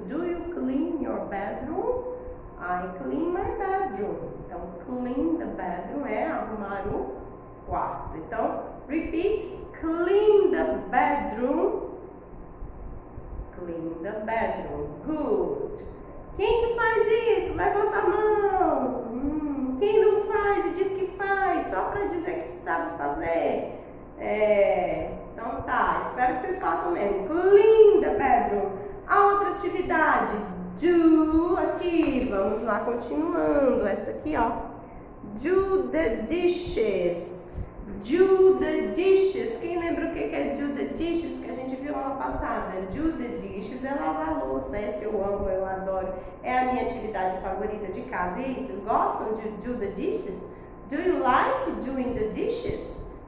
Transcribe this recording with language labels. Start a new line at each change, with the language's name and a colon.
English: Do you clean your bedroom? I clean my bedroom.
Portuguese: Então,
English: clean the bedroom
Portuguese: é arrumar o quarto.
English: Então, repeat. Clean the bedroom. Clean the bedroom. Good.
Portuguese: Quem que faz isso? Levanta a mão. Quem não faz e diz que faz, só para dizer que sabe fazer. É, então tá, espero que vocês façam mesmo.
English: Clean the bedroom.
Portuguese: A outra atividade, do aqui, vamos lá continuando. Essa aqui, ó.
English: Do the dishes. Do the dishes.
Portuguese: Quem lembra o que é
English: do the dishes
Portuguese: que a gente viu aula passada?
English: Do the dishes
Portuguese: é lavar louça. Essa eu amo, eu adoro. É a minha atividade favorita de casa. E aí, vocês gostam de
English: do the dishes? Do you like doing the dishes?